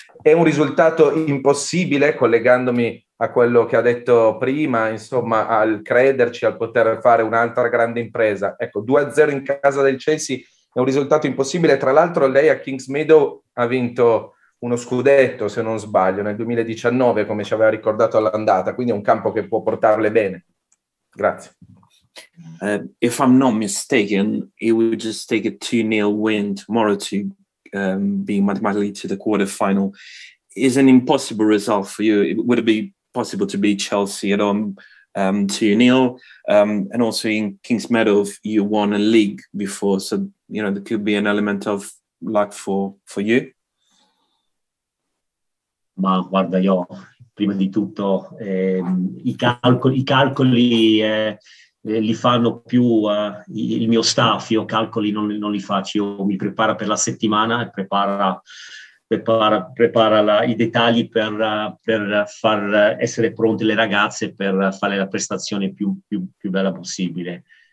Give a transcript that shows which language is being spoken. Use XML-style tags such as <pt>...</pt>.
<it>È un risultato impossibile, collegandomi a quello che ha detto prima, insomma, al crederci, al poter fare un'altra grande impresa. Ecco, 2-0 in casa del Chelsea è un risultato impossibile. Tra l'altro, lei a Kings Meadow ha vinto uno scudetto, se non sbaglio, nel 2019, come ci aveva ricordato all'andata, quindi è un campo che può portarle bene. Grazie.</it> <en>If I'm not mistaken, it would just take a 2-0 win tomorrow to be mathematically to the quarter final. Is an impossible result for you? Would it be possible to beat Chelsea at home 2-0? And also in King's Meadow, you won a league before, so there could be an element of luck for you.</en> <it>Ma guarda, io prima di tutto i calcoli li fanno più il mio staff, io calcoli non li faccio, io mi preparo per la settimana e prepara i dettagli per far essere pronte le ragazze per fare la prestazione più bella possibile.</it>